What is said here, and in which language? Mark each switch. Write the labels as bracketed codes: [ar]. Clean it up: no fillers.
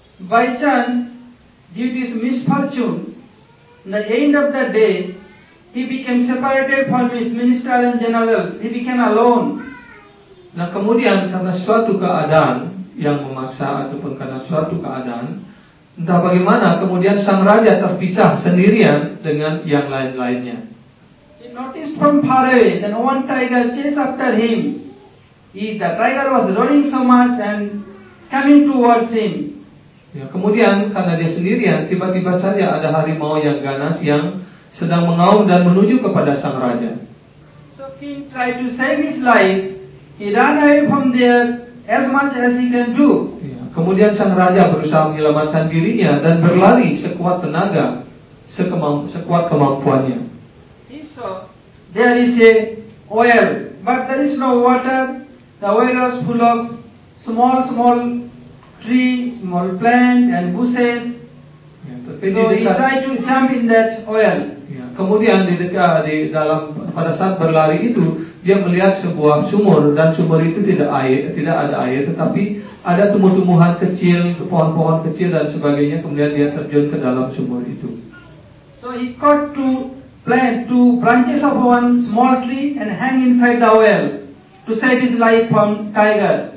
[en] By chance, due to his misfortune, in the end of the day, he became separated from his ministers and generals. He became alone. [id] Nah, kemudian karena suatu keadaan yang memaksa ataupun karena suatu keadaan, entah bagaimana, kemudian sang raja terpisah sendirian dengan yang lain-lainnya. [en] He noticed from far away that one tiger chased after him. The tiger was running so much and coming towards him. [id] Ya, kemudian karena dia sendirian, tiba-tiba saja ada harimau yang ganas yang sedang mengaum dan menuju kepada sang raja. [en] So king tried to save his life. He ran away from there as much as he can do. [id] Kemudian sang raja berusaha menyelamatkan dirinya dan berlari sekuat tenaga, sekuat kemampuannya. [en] He saw there is a well, but there is no water. The well was full of small trees, small plant and bushes. So he tried to jump in that well. [id] Kemudian pada saat berlari itu, dia melihat sebuah sumur dan sumur itu tidak ada air, tetapi ada tumbuh-tumbuhan kecil, pohon-pohon kecil dan sebagainya. Kemudian dia terjun ke dalam sumur itu. [en] So he caught two branches of one small tree and hang inside the well to save his life from tiger.